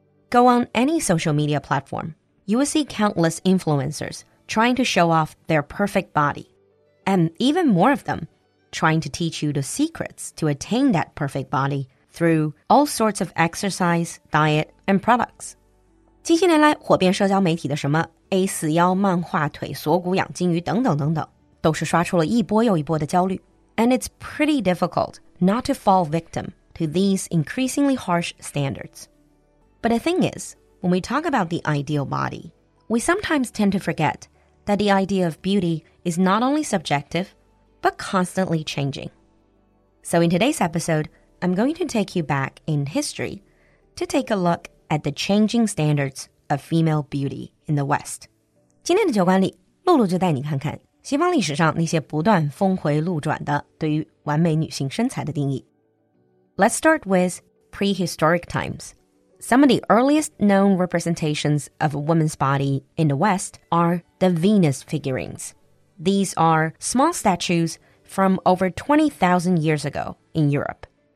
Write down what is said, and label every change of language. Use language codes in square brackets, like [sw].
[en] Go on any social media platform, you will see countless influencers trying to show off their perfect body, and even more of them trying to teach you the secrets to attain that perfect body through all sorts of exercise, diet, and products. [zh] 近些年来，火遍社交媒体的什么 A41 漫画腿、锁骨养金鱼等等等等，都是刷出了一波又一波的焦虑。 [en] And it's pretty difficult not to fall victim. To these increasingly harsh standards. But the thing is, when we talk about the ideal body, we sometimes tend to forget that the idea of beauty is not only subjective, but constantly changing. So in today's episode, I'm going to take you back in history to take a look at the changing standards of female beauty in the West. [zh] 今天的酒馆里，露露就带你看看西方历史上那些不断峰回路转的对于完美女性身材的定义。 [en] Let's start with prehistoric times. Some of the earliest known representations of a woman's body in the West are the Venus figurines. These are small statues from over 20,000 years ago in Europe.